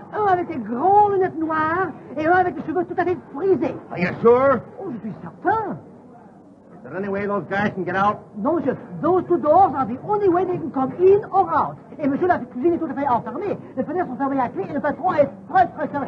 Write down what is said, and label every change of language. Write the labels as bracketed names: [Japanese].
[French] Un avec des gros lunettes noires et un avec des cheveux tout à fait frisés. [English] Are you sure? [French] Oh, je suis certain. [English] Is there any way those guys can get out? [French] Non, monsieur. [English] Those two doors are the only way they can come in or out. [French] Et monsieur, la cuisine est tout à fait enfermée. Les fenêtres sont fermées à clé et le patron est très, très sérieux.